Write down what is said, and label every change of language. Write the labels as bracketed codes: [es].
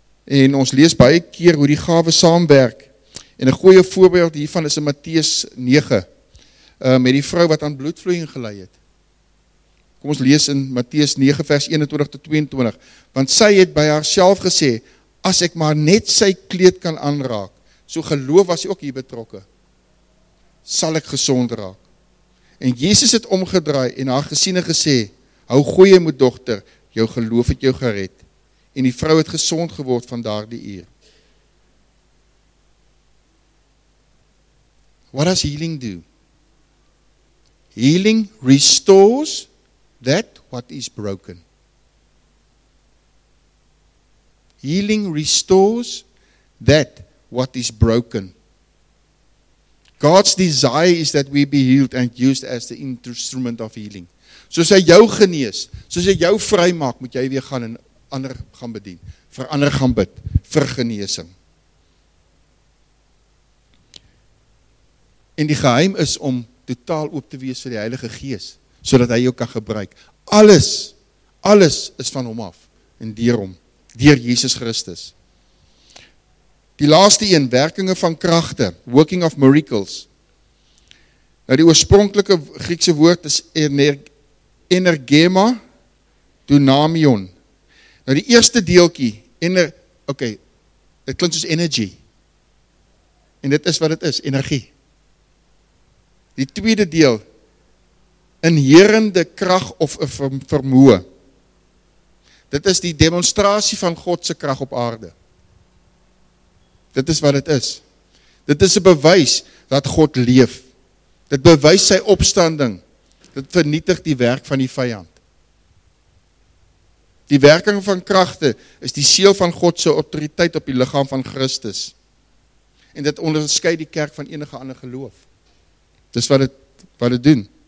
[af] En ons lees baie keer hoe die gave saamwerk. En een goeie voorbeeld hiervan is in Matteus 9, met die vrou wat aan bloedvloeiing gelei het. Kom ons lees in Matteus 9 vers 21 tot 22. Want sy het by haarself gesê, as ek maar net sy kleed kan aanraak, so geloof was sy ook hier betrokke, sal ek gesond raak. En Jesus het omgedraai en haar gesien en gesê, hou goeie moed dogter, jou geloof het jou gered. En die vrou het gesond geword van daar die eer. [en] What does healing do? Healing restores that what is broken. Healing restores that what is broken. God's desire is that we be healed and used as the instrument of healing. [af] Soos hy jou genees, soos hy jou vry maak, moet jy weer gaan en ander gaan bedien, vir ander gaan bid, vir geneesing. En die geheim is om totaal oop te wees vir die Heilige Gees, sodat hy jou kan gebruik. Alles, alles is van hom af, en deur hom, deur Jesus Christus. Die laaste een, werkinge van kragte, [en] working of miracles. [af] Nou die oorspronklike Griekse woord is energema dynamion. Nou die eerste deelkie, dit klink soos energy. En dit is wat het is, energie. Die tweede deel, inherende krag of vermoë. Dit is die demonstratie van Godse krag op aarde. Dit is wat het is. Dit is een bewys dat God leef. Dit bewys sy opstanding. Dit vernietig die werk van die vyand. Die werking van kragte is die seel van Godse autoriteit op die liggaam van Christus. En dit onderskei die kerk van enige ander geloof. Dis wat het doen.